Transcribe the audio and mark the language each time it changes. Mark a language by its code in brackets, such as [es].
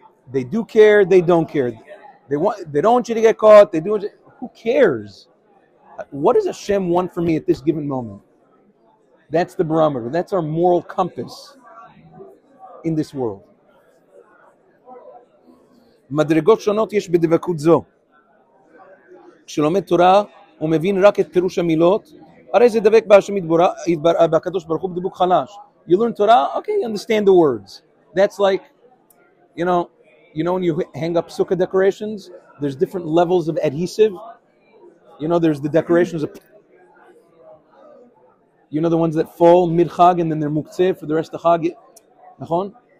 [en] They do care, they don't care. They don't want you to get caught, they do want you, who cares? What does Hashem want from me at this given moment? That's the barometer. That's our moral compass in this world. [he] מדרגות שונות יש בדבקות זו. כשלומד תורה ומבין רק את פירוש המילות, הרי זה דבק בהשם בקדוש ברוך הוא בדיבוק חלש. [en] You learn Torah, okay, you understand the words. That's like, you know when you hang up sukkah decorations, there's different levels of adhesive. You know, there's the decorations of... You know the ones that fall mid-chag and then they're muktzeh for the rest of chag? Nachon?